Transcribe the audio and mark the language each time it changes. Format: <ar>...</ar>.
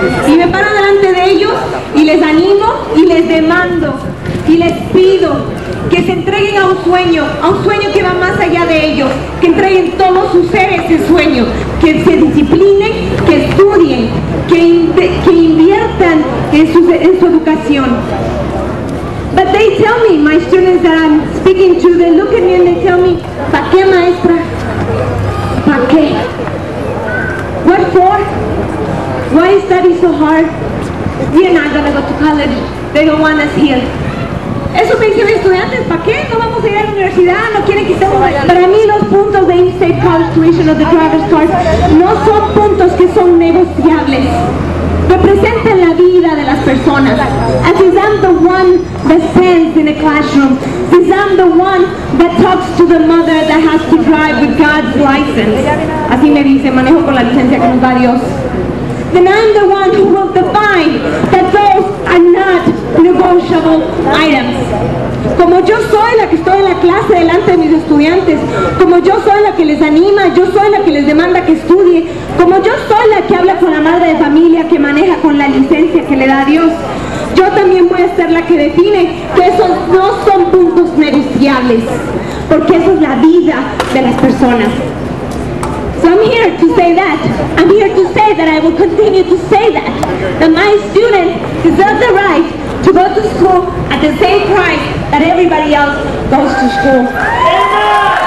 <es>Y me paro delante de ellos y les animo y les demando y les pido que se entreguen a un sueño que va más allá de ellos, que entreguen todo su ser a ese sueño, que se disciplinen, que estudien, que inviertan en su educación.</es> <en>But they tell me, my students that I'm speaking to, they look at me and they tell me,</en> <es>¿para qué, maestra? ¿Para qué?</es> <en>What for? Why is study so hard? You're not gonna go to college. They don't want us here.</en> <es>Eso me dicen los estudiantes, ¿para qué? No vamos a ir a la universidad, no quieren que estemos... Para mí los puntos de in-state college tuition o de driver's card no son puntos que son negociables. Representan la vida de las personas.</es> <en>And since I'm the one that stands in a classroom, since I'm the one that talks to the mother that has to drive with God's license.</en> <es>Así me dice, manejo con la licencia que nos da Dios.</es> <en>Then I'm the one who will define that those are not negotiable items.</en> <es>Como yo soy la que estoy en la clase delante de mis estudiantes, como yo soy la que les anima, yo soy la que les demanda que estudie, como yo soy la que habla con la madre de familia, que maneja con la licencia que le da a Dios, yo también voy a ser la que define que esos no son puntos negociables, porque eso es la vida de las personas.</es> <en>So I'm here to say that. I'm here to say that I will continue to say that. That my students deserve the right to go to school at the same price that everybody else goes to school.</en>